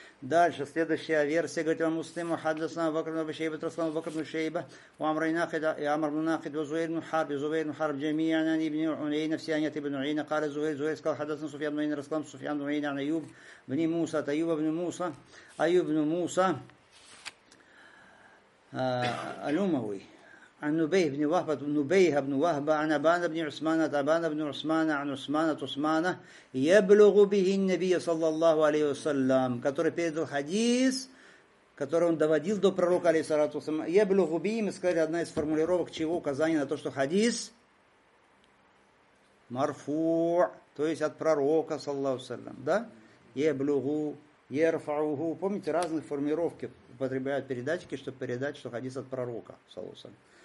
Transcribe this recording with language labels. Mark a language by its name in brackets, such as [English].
[Russian] Дальше, следующая версия, говорит вам Муслим, хаддасна вакр бин шейба, траслан вакр бин шейба, уамр бин нахид, и амр бин нахид, и зуэйр бин харб, джамиян ан ибн уйна, все они от ибн уйна, каля зуэйр, зуэйр сказал, хаддасна суфьян бин уйна, расклам суфьян бин уйна, ан аюб бин муса, от аюба бин муса, аюб бин муса, алюмовый. [Arabic] عن نبيه بن وهب نبيه بن وهب عن أبان بن عثمان أبان بن عثمان عن عثمان عثمان يبلغ به النبي صلى الله عليه وسلم [Russian] который передал хадис, который он доводил до пророка алейхиссалату вассалям. [Arabic] يبلغ به, [Russian] мы сказали, одна из формулировок чего, указание на то, что хадис марфу, то есть от пророка [Arabic] صلى الله عليه وسلم, [Russian] да? [Arabic] يبلغ يرفعه, [Russian] помните, разные формулировки употребляют передатчики, чтобы передать, что хадис от пророка [Arabic] صلى الله عليه وسلم.